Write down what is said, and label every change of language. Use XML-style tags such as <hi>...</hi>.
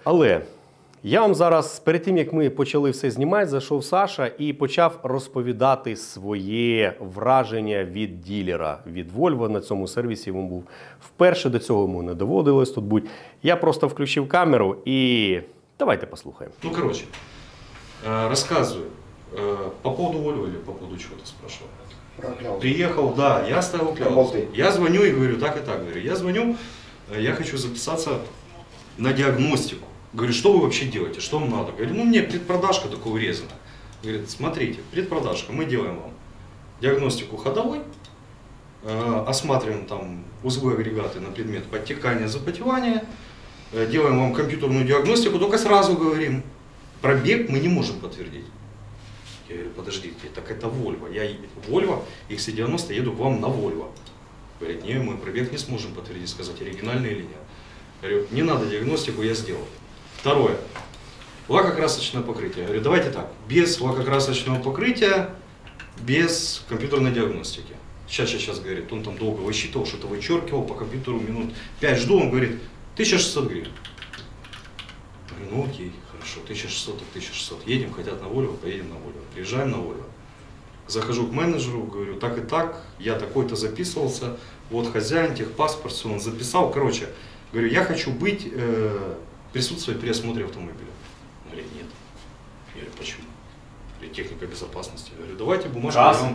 <uk>Але я вам зараз, перед тим, як ми почали все знімати, зайшов Саша і почав розповідати своє враження від ділера, від Volvo на цьому сервісі. Він був вперше, до цього йому не доводилось тут бути. Я просто включив камеру і давайте послухаємо. Ну, коротше, розказую.</uk> <ru>По поводу Volvo или по поводу чего-то спрашивал? Прокляв. Приехал, да, я ставил кляву. Я звоню и говорю, так и так, говорю. Я звоню, я хочу записаться на диагностику. Говорю, что вы вообще делаете, что вам надо? Говорю, ну мне предпродажка только урезана. Говорит, смотрите, предпродажка, мы делаем вам диагностику ходовой, осматриваем там узлы, агрегаты на предмет подтекания, запотевания, делаем вам компьютерную диагностику, только сразу говорим, пробег мы не можем подтвердить. Я говорю, подождите, так это Volvo. Я Volvo XC90 еду к вам на Volvo. Говорит, нет, мы пробег не сможем подтвердить, сказать, оригинальный или нет. Говорю, не надо диагностику, я сделал. Второе. Лакокрасочное покрытие. Говорю, давайте так, без лакокрасочного покрытия, без компьютерной диагностики. Сейчас, говорит, он там долго высчитывал, что-то вычеркивал по компьютеру минут 5. Жду, он говорит, 1600 гривен. Говорю, ну окей, хорошо, 1600 так 1600. Едем, хотят на Volvo, поедем на Volvo. Приезжаем на Volvo. Захожу к менеджеру, говорю, так и так, я такой-то записывался, вот хозяин, техпаспорт, он записал, короче, говорю, я хочу быть, присутствовать при осмотре автомобиля. Говорит, нет. Я говорю, почему? Говорит, техника безопасности. Говорю, давайте бумажку.</ru>